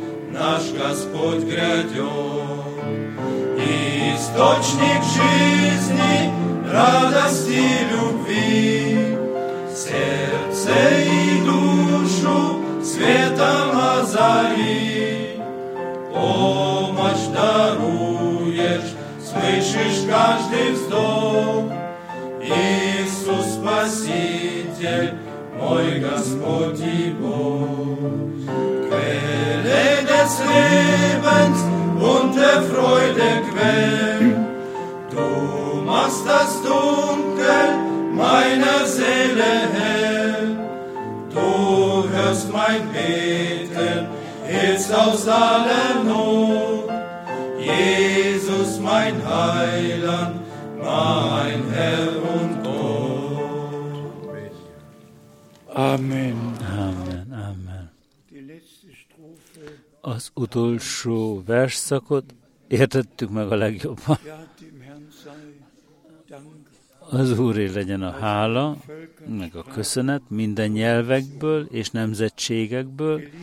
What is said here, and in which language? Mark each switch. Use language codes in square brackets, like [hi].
[ru] наш Господь грядет. И источник жизни, радости, любви, сердце и душу светом озари. Помощь даруешь, слышишь каждый вздох. Иисус Спаситель, мой Господь и Бог. [de] Quelle des Lebens und der Freude Quell, du machst das Dunkel meiner Seele hell. Du hörst mein Beten jetzt aus aller Not. Jesus, mein Heiland, mein Herr und Gott. Amen. Amen. Amen. [hu] Az utolsó versszakot értettük meg a legjobban. Az Úré legyen a hála, meg a köszönet minden nyelvekből és nemzetségekből.